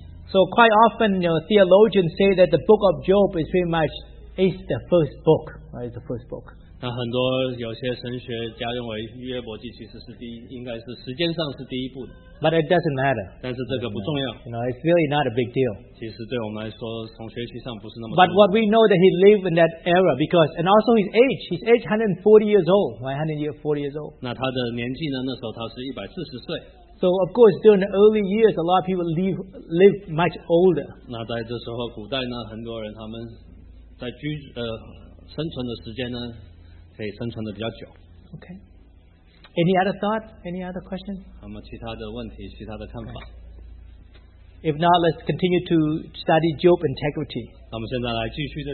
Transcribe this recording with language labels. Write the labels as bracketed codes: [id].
[en] so quite often, you know, theologians say that the book of Job is pretty much is the first book. Right, it's the first book. [zh] 那很多有些神学家认为约伯记其实是第一，应该是时间上是第一部的。 [en] But it doesn't matter. [zh] 但是这个不重要。 [en] You know, it's really not a big deal. [zh] 其实对我们来说，从学习上不是那么重要。 [en] But what we know that he lived in that era because, and also his age. His age 140 years old. Right, 140 years old. [zh] 那他的年纪呢？那时候他是140岁。 [en] So of course, during the early years, a lot of people live much older. [zh] 那在这时候，古代呢，很多人他们在居生存的时间呢。 [en] Okay. Any other thought? Any other question? [zh] 有没有其他的问题, 其他的看法? [en] If not, let's continue to study Job integrity.